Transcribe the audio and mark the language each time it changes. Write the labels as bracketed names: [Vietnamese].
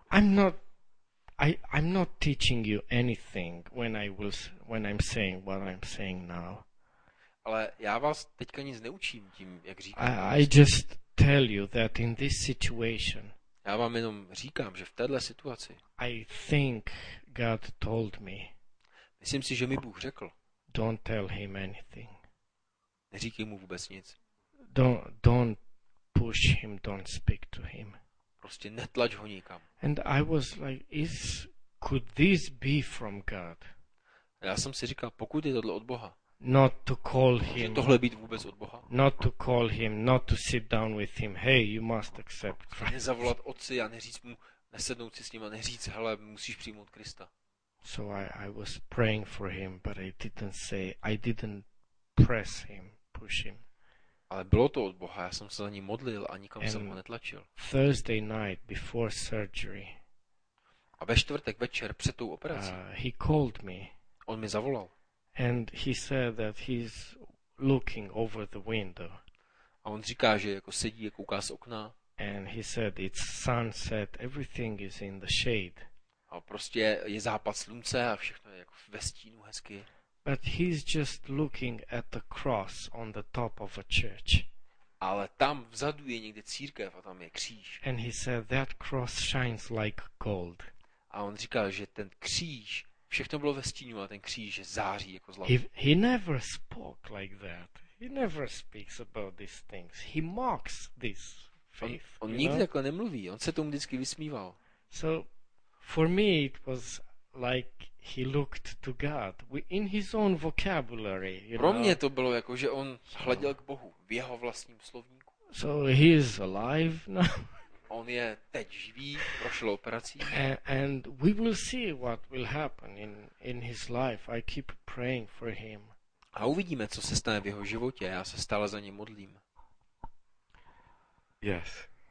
[English] But I'm not teaching you anything when I'm saying what I'm saying now. [Czech] Ale já vás teďka nic neučím tím, jak říkám. [English] I just tell you that in this situation. [Czech] Já vám jenom říkám, že v téhle situaci. [English] I think God told me. [Czech] Myslím si, že mi Bůh řekl. [English] Don't tell him anything. [Czech] Neříkej mu vůbec nic. [English] Don't push him, don't speak to him. [Czech] Prostě netlač ho nikam. [English] And I was like, could this be from God? [Czech] Já jsem si říkal, pokud je tohle od Boha. [English] Not to call him. [Czech] Může tohle být vůbec od Boha? [English] Not to call him, not to sit down with him. Hey, you must accept Christ. [Czech] Nezavolat otci a neříct mu, nesednout si s ním a neříct, hele, musíš přijmout Krista. [English] So I was praying for him, but I didn't press him, push him. [Czech] Ale bylo to od Boha, já jsem se na ní modlil a nikam jsem ho netlačil. [English] Thursday night before surgery. [Czech] A ve čtvrtek večer před tou operací. [English] He called me. [Czech] On mi zavolal. [English] And he said that he's looking over the window. [Czech] A on říká, že jako sedí a kouká z okna. [English] And he said it's sunset, everything is in the shade. [Czech] A prostě je západ slunce a všechno je jako ve stínu hezky. [English] But he's just looking at the cross on the top of a church. [Czech] ale tam vzadu je někde církev a tam je kříž. [English] And he said that cross shines like gold. [Czech] A on říkal, že ten kříž, všechno bylo ve stínu, a ten kříž září jako zlato. [English] He never spoke like that. He never speaks about these things. He mocks this faith. [Czech] On nikdy jako nemluví, on se tomu vždycky vysmíval. [English] So for me it was like he looked to God in his own vocabulary. [Czech] Pro mě to bylo jako, že on hleděl k Bohu v jeho vlastním slovníku. [English] So he is alive now. [Czech] On je teď živý, prošel operací. [English] And we will see what will happen in his life. I keep praying for him. [Czech] A uvidíme, co se stane v jeho životě. Já se stále za něj modlím. [English] Yes.